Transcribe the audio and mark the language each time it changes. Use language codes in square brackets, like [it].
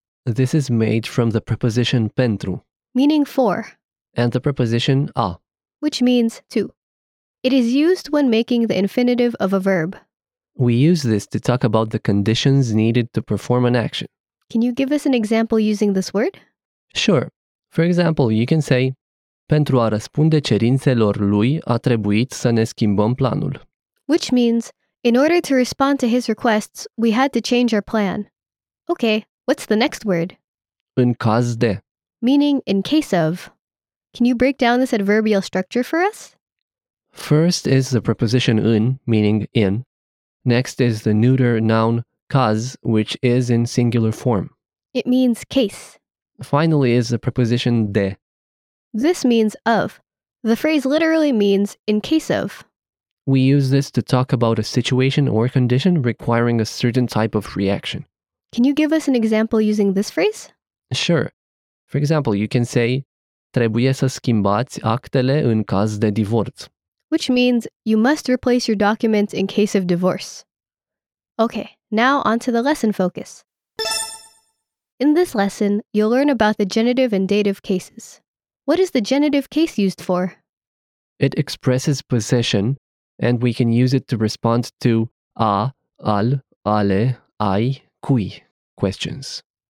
[en] This is made from the preposition pentru. Meaning for. And the preposition a. Which means to. It is used when making the infinitive of a verb. We use this to talk about the conditions needed to perform an action. Can you give us an example using this word? Sure. For example, you can say, [ro] Pentru a răspunde cerințelor lui, a trebuit să ne schimbăm planul. [en] Which means, in order to respond to his requests, we had to change our plan. Okay, what's the next word? [ro] În caz de. [en] Meaning, in case of. Can you break down this adverbial structure for us? First is the preposition în, meaning in. Next is the neuter noun caz, which is in singular form. It means case. Finally is the preposition de. This means of. The phrase literally means in case of. We use this to talk about a situation or condition requiring a certain type of reaction. Can you give us an example using this phrase? Sure. For example, you can say, [ro] Trebuie să schimbați actele în caz de divorț. [en] Which means, you must replace your documents in case of divorce. Okay, now on to the lesson focus. In this lesson, you'll learn about the genitive and dative cases. What is the genitive case used for? It expresses possession, and we can use it to respond to a, al, ale, ai, cui questions.